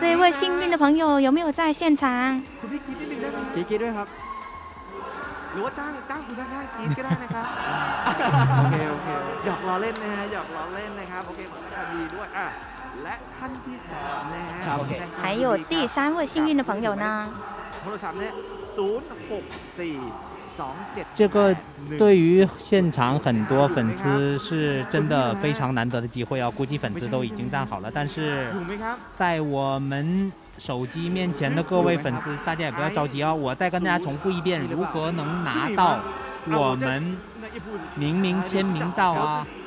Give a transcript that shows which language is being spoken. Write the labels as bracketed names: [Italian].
[Chinese] 这位幸运的朋友有没有在现场？ [Thai] พี่กิ๊กด้วยครับ。 หรือว่าจ้างคุณท่านกิ๊กก็ได้นะครับ。 โอเคโอเค。 หยอกล้อเล่นนะฮะ，หยอกล้อเล่นนะครับ。 โอเค，ดีด้วย。 และท่านที่สามนะฮะ。 [Chinese] 还有第三位幸运的朋友呢？ [Thai] โทรศัพท์เนี่ย064-27。 [Chinese] 这个对于现场很多粉丝是真的非常难得的机会啊，估计粉丝都已经站好了，但是在我们手机面前的各位粉丝，大家也不要着急啊，我再跟大家重复一遍，如何能拿到我们明明签名照啊。